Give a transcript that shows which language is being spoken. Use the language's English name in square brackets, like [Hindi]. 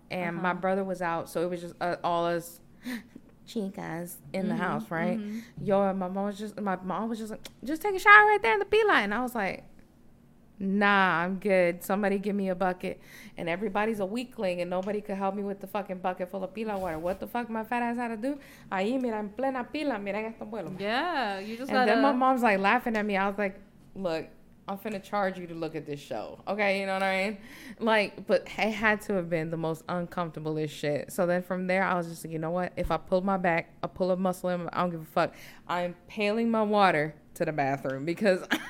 [English] And my brother was out, so it was just all us chicas in the house, right? Mm-hmm. Yo, and my mom was just like, just take a shower right there in the pila. And I was like, nah, I'm good. Somebody give me a bucket. And everybody's a weakling, and nobody could help me with the fucking bucket full of pila water. What the fuck my fat ass had to do? [Spanish] Ahí, mira, en plena pila, mira en este vuelo. [English] Yeah, you just and then my mom's, like, laughing at me. I was like, look, I'm finna charge you to look at this show. Okay, you know what I mean? Like, but it had to have been the most uncomfortable as shit. So then from there, I was just like, you know what? If I pull my back, I pull a muscle in, I don't give a fuck. I'm paling my water to the bathroom because...